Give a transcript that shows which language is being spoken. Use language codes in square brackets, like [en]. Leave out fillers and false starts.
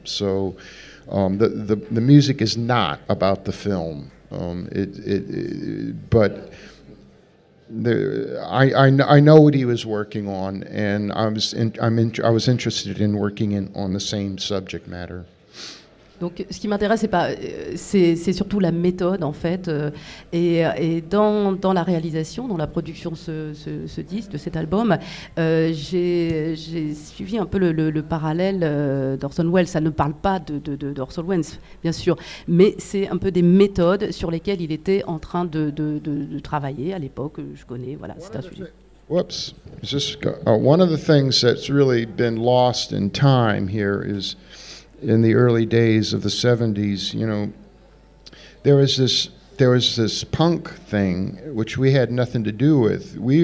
[en] So the music is not about the film. I know what he was working on, and I was interested in working in on the same subject matter. [fr] Donc, ce qui m'intéresse, c'est surtout la méthode, en fait, et dans la réalisation, dans la production ce disque, de cet album, j'ai suivi un peu le parallèle d'Orson Welles. Ça ne parle pas d'Orson Welles, bien sûr, mais c'est un peu des méthodes sur lesquelles il était en train de travailler à l'époque. Je connais, voilà, c'est un sujet. [en] Whoops. Is this one of the things that's really been lost in time here is... In the early days of the 70s, you know, there was this punk thing which we had nothing to do with.